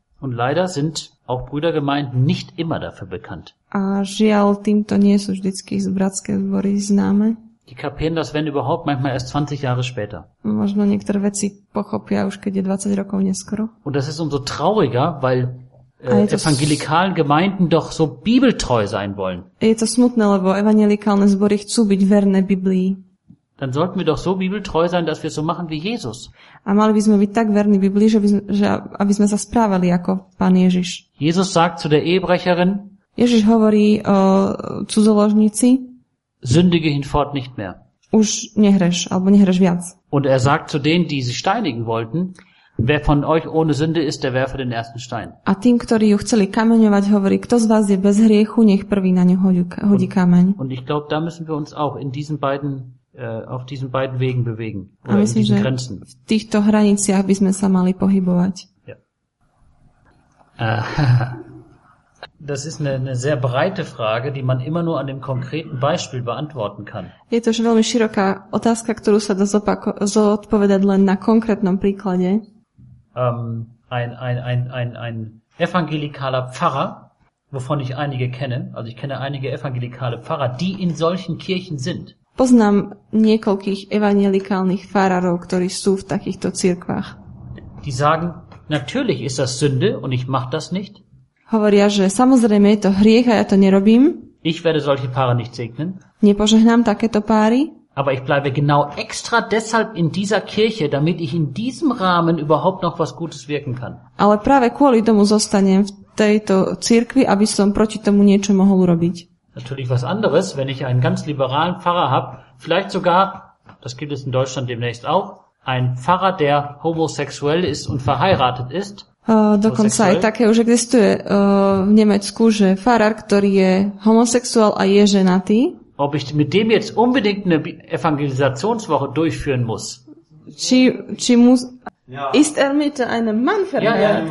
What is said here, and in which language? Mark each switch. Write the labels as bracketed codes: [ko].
[de] Und leider sind auch Brüdergemeinden nicht immer dafür bekannt. [sk] A žiaľ, týmto nie sú vždycky z bratské zbory známe. [de] Die kapieren das, wenn überhaupt, manchmal erst 20 Jahre später. [sk] Možno niektoré veci pochopia už, keď je 20 rokov neskoro. [de] Und das ist umso trauriger, weil evangelikálne Gemeinden doch so bibeltreu sein wollen. [sk] Je to smutné, lebo evangelikálne zbory chcú byť verné Biblii. [de] Dann sollten wir doch so bibeltreu sein, dass wir so machen wie Jesus. [sk] A mali by sme byť tak verní Biblii, aby sme sa správali ako Pán Ježiš. [de] Jesus sagt zu der Ehebrecherin, [sk] Ježiš hovorí o cudzoložnici, [de] sündige hinfort nicht mehr. [sk] Už nehreš, alebo nehreš viac. [de] Und er sagt zu denen, die sie steinigen wollten, wer von euch ohne Sünde ist, der werfe den ersten Stein. [sk] A tým, ktorí ju chceli kameňovať, hovorí, kto z vás je bez hriechu, nech prvý na ňu hodí kameň. [de] Und ich glaube, da müssen wir uns auch in diesen beiden auf diesen beiden Wegen bewegen, oder myslím, in diesen Grenzen. [sk] V týchto hraniciach by sme sa mali pohybovať. [de] Ja. Das ist eine sehr breite Frage, die man immer nur an dem konkreten Beispiel beantworten kann. [sk] Je to veľmi široká otázka, ktorú sa dá zodpovedať len na konkrétnom príklade. [de] Ein evangelikaler Pfarrer, wovon ich einige kenne, also ich kenne einige evangelikale Pfarrer, die in solchen Kirchen sind. [sk] Poznám niekoľkých evangelikálnych farárov, ktorí sú v takýchto cirkvách. [de] Die sagen, natürlich ist das Sünde und ich mach das nicht. [sk] Hovoria, že samozrejme je to hriech a ja to nerobím. [de] Ich werde solche Paare nicht segnen. [sk] Nepožehnám takéto páry. [de] Aber ich bleibe genau extra deshalb in dieser Kirche, damit ich in diesem Rahmen überhaupt noch was Gutes wirken kann. [sk] Ale práve kvôli tomu zostanem v tejto cirkvi, aby som proti tomu niečo mohol urobiť. [de] Natürlich was anderes, wenn ich einen ganz liberalen Pfarrer habe, vielleicht sogar, das gibt es in Deutschland demnächst auch, ein Pfarrer, der homosexuell ist und verheiratet ist. [sk] Dokonca aj také už existuje v Nemecku, že farár, ktorý je homosexuál a je ženatý. [de] Ob ich mit dem jetzt unbedingt eine Evangelisationswoche durchführen muss. Ist er mit einem Mann verheiratet?